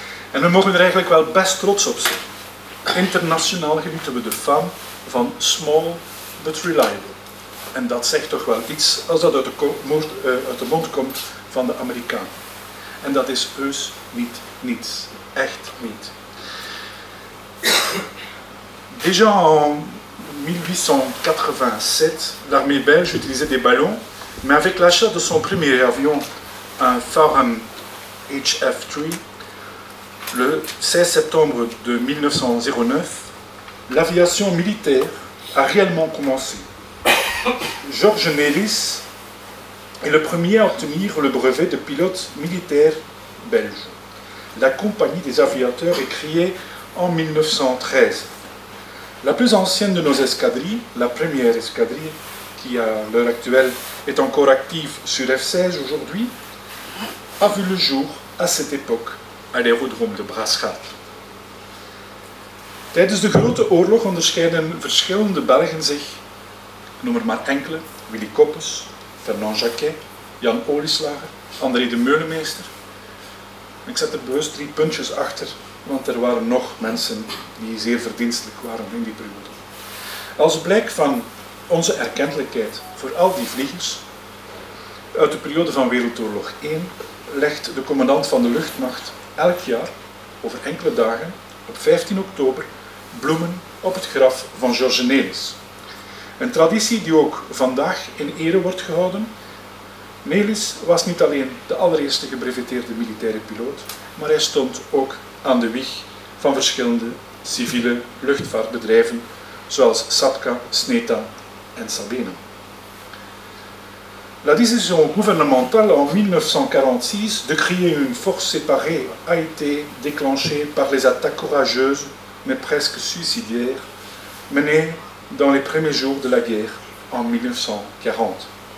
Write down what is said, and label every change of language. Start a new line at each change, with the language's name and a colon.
Dutch: En we mogen er eigenlijk wel best trots op zijn. Internationaal genieten we de faam van
English: small but reliable.
Dutch: En dat zegt toch wel iets als dat uit de mond komt van de Amerikaan. En dat is heus niet niets. Echt niet.
French: Déjà en 1887, l'armée belge utilisait des ballons, mais avec l'achat de son premier avion, un Farham HF3, le 16 septembre de 1909, l'aviation militaire a réellement commencé. Georges Nélis est le premier à obtenir le brevet de pilote militaire belge. La compagnie des aviateurs est créée en 1913. La plus ancienne de nos escadrilles, la première escadrille, qui à l'heure actuelle est encore active sur F-16 aujourd'hui, a vu le jour à cette époque à l'aérodrome de Brasschaat.
Dutch: Tijdens de Grote Oorlog onderscheiden verschillende Belgen zich. Noem er maar enkele, Willy Koppes, Fernand Jacquet, Jan Olieslager, André de Meulemeester. Ik zet er bewust 3 puntjes achter, want er waren nog mensen die zeer verdienstelijk waren in die periode. Als blijk van onze erkentelijkheid voor al die vliegers, uit de periode van Wereldoorlog 1, legt de commandant van de luchtmacht elk jaar, over enkele dagen, op 15 oktober, bloemen op het graf van Georges Nélis. Een traditie die ook vandaag in ere wordt gehouden. Nélis was niet alleen de allereerste gebreveteerde militaire piloot, maar hij stond ook aan de wieg van verschillende civiele luchtvaartbedrijven, zoals SATCA, SNETA en Sabena.
French: La décision gouvernementale en 1946 de créer une force séparée a été déclenchée par les attaques courageuses, mais presque suicidaires, menées dans les premiers jours de la guerre en 1940.